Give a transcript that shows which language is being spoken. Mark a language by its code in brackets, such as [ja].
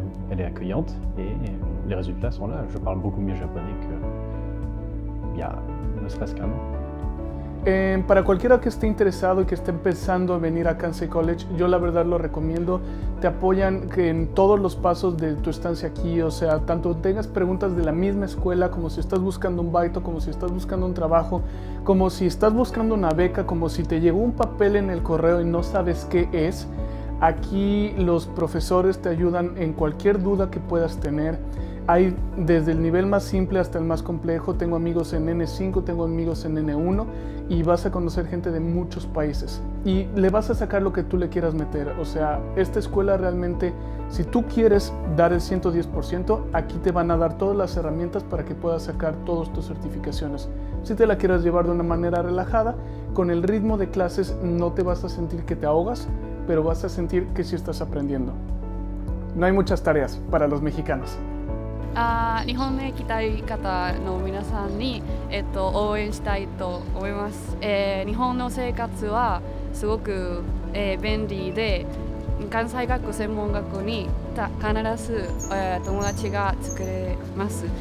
[fr] Elle est accueillante et les résultats sont là. Je parle beaucoup mieux japonais que il y a ne serait-ce qu'un an. [es] Para cualquiera que esté interesado y que esté empezando a venir a Kansai College, yo la verdad lo recomiendo. Te apoyan en todos los pasos de tu estancia aquí, o sea, tanto tengas preguntas de la misma escuela, como si estás buscando un baito, como si estás buscando un trabajo, como si estás buscando una beca, como si te llegó un papel en el correo y no sabes qué es. Aquí los profesores te ayudan en cualquier duda que puedas tener. Hay desde el nivel más simple hasta el más complejo. Tengo amigos en N5, tengo amigos en N1 y vas a conocer gente de muchos países. Y le vas a sacar lo que tú le quieras meter. O sea, esta escuela realmente, si tú quieres dar el 110%, aquí te van a dar todas las herramientas para que puedas sacar todas tus certificaciones. Si te la quieres llevar de una manera relajada, con el ritmo de clases no te vas a sentir que te ahogas, pero vas a sentir que sí estás aprendiendo. No hay muchas tareas para los mexicanos. [ja] 日本へ行きたい方の皆さんに、応援したいと思います、日本の生活はすごく、便利で関西学校専門学校に必ず、友達が作れます。